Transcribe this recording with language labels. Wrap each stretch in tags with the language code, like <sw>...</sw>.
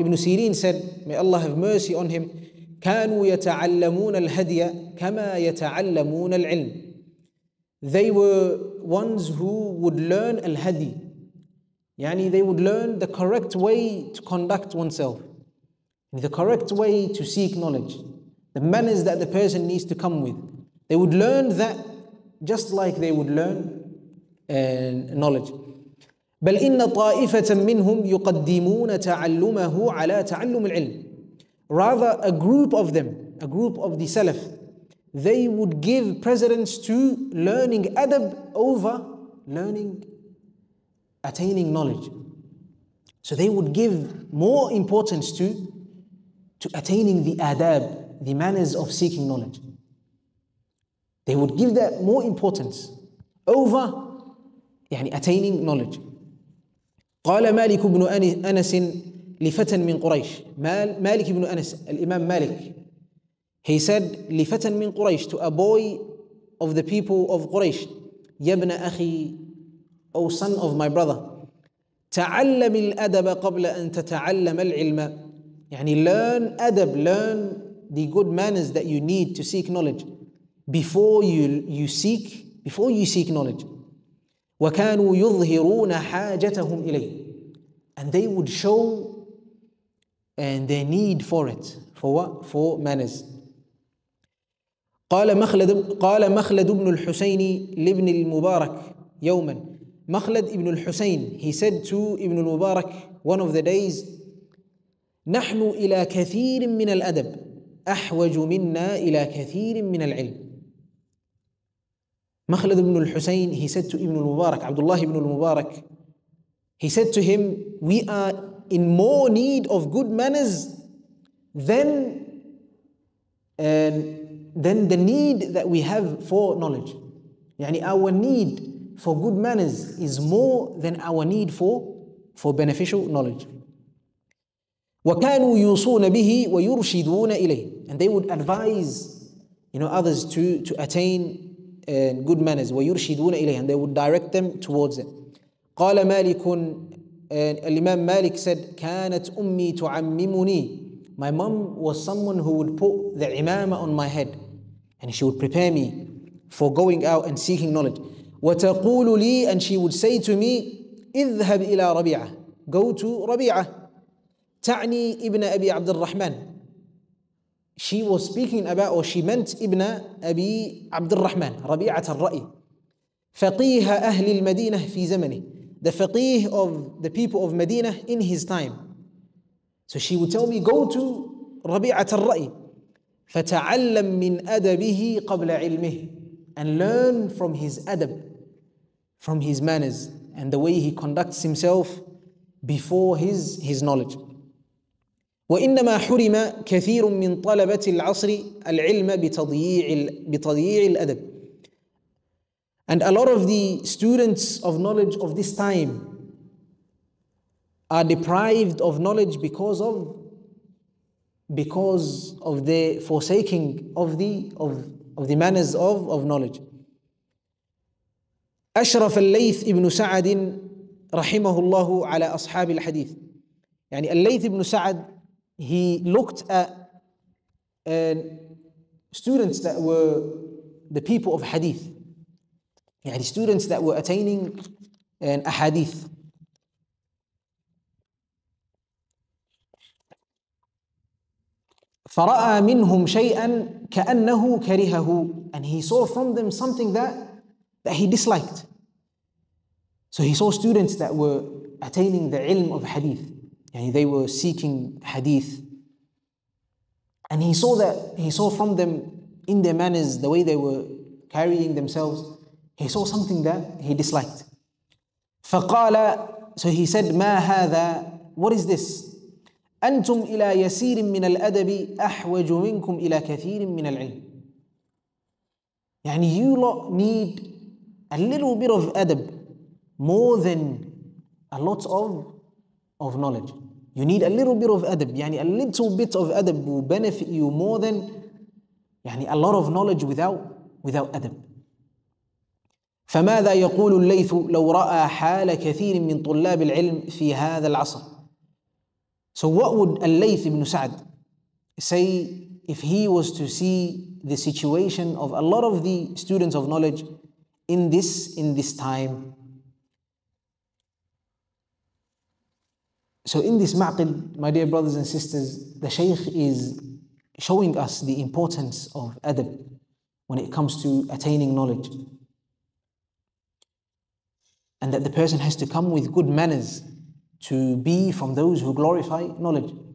<en>Ibn Sirin said, may Allah have mercy on him,</en> <ar>كانوا يتعلمون الهدي كما يتعلمون العلم.</ar> <en>They were ones who would learn الهدي. يعني they would learn the correct way to conduct oneself, the correct way to seek knowledge, the manners that the person needs to come with. They would learn that just like they would learn knowledge.</en> <ar>بل إن طائفة منهم يقدمون تعلمه على تعلم العلم.</ar> <en>Rather, a group of them, a group of the Salaf, they would give precedence to learning adab over learning, attaining knowledge. So they would give more importance to attaining the adab, the manners of seeking knowledge. They would give that more importance over يعني attaining knowledge.</en> <ar>قال مالك بن أنس لفتى من قريش. مالك بن أنس, الإمام مالك,</ar> <en>he said</en> <ar>لفتى من قريش,</ar> <en>to a boy of the people of</en> <ar>قريش, يبن أخي,</ar> <en>oh son of my brother,</en> <ar>تعلم الأدب قبل أن تتعلم العلم.</ar> <en>يعني learn adab, learn the good manners that you need to seek knowledge before you seek knowledge.</en> <ar>وكانوا يظهرون حاجتهم إليه.</ar> <en>And they would show and their need for it. For what? For manners.</en> <ar>قال مخلد بن الحسين لابن المبارك يوما. مخلد بن الحسين,</ar> <en>he said to</en> <ar>ابن المبارك</ar> <en>one of the days,</en> <ar>نحن إلى كثير من الأدب أحوج منا إلى كثير من العلم.</ar> <en>مخلد بن الحسين, he said to ابن المبارك, عبد الله بن المبارك, he said to him, we are in more need of good manners than the need that we have for knowledge. يعني our need for good manners is more than our need for beneficial knowledge.</en> <ar>وكانوا يوصون به ويرشدون إليه.</ar> <en>And they would advise, you know, others to attain good manners.</en> <ar>ويرشدون إليه.</ar> <en>And they would direct them towards it.</en> <ar>قال مالك, الإمام مالك said, كانت أمي تعممني.</ar> <en>My mom was someone who would put the imama on my head. And she would prepare me for going out and seeking knowledge.</en> <ar>وتقول لي,</ar> <en>and she would say to me,</en> <ar>اذهب إلى ربيعة.</ar> <en>Go to</en> <ar>ربيعة. تعني ابن أبي عبد الرحمن.</ar> <en>She was speaking about, or she meant ابن أبي عبد الرحمن, ربيعة الرأي.</en> <ar>فقيه أهل المدينة في زمنه.</ar> <en>The فقيه of the people of Medina in his time. So she would tell me, go to ربيعة الرأي.</en> <ar>فتعلم من أدبه قبل علمه.</ar> <en>And learn from his adab, from his manners, and the way he conducts himself before his knowledge.</en> <ar>وإنما حرم كثير من طلبة العصر العلم بتضييع الأدب.</ar> <en>And a lot of the students of knowledge of this time are deprived of knowledge because of the forsaking of the manners of knowledge.</en> <ar>أشرف الليث ابن سعد رحمه الله على أصحاب الحديث.</ar> <en>يعني الليث ابن سعد, he looked at students that were the people of hadith. يعني students that were attaining أحاديث.</en> <ar>فرأى منهم شيئا كأنه كرهه,</ar> <en>and he saw from them something that he disliked. So he saw students that were attaining the ilm of hadith, يعني they were seeking hadith, and he saw from them in their manners, the way they were carrying themselves, he saw something that he disliked.</en> <ar>فقال,</ar> <en>so he said,</en> <ar>ما هذا,</ar> <en>what is this,</en> <ar>أنتم إلى يسير من الأدب أحوج منكم إلى كثير من العلم.</ar> <en>يعني you lot need a little bit of adab more than a lot of knowledge. You need a little bit of adab, يعني a little bit of adab will benefit you more than يعني a lot of knowledge without adab.</en> <ar>فماذا يقول الليث لو رأى حال كثير من طلاب العلم في هذا العصر.</ar> <en>So what would Al-Layth ibn Sa'd say if he was to see the situation of a lot of the students of knowledge in this time? So in this ma'qid, my dear brothers and sisters, the Shaykh is showing us the importance of adab when it comes to attaining knowledge, and that the person has to come with good manners to be from those who glorify knowledge.</en>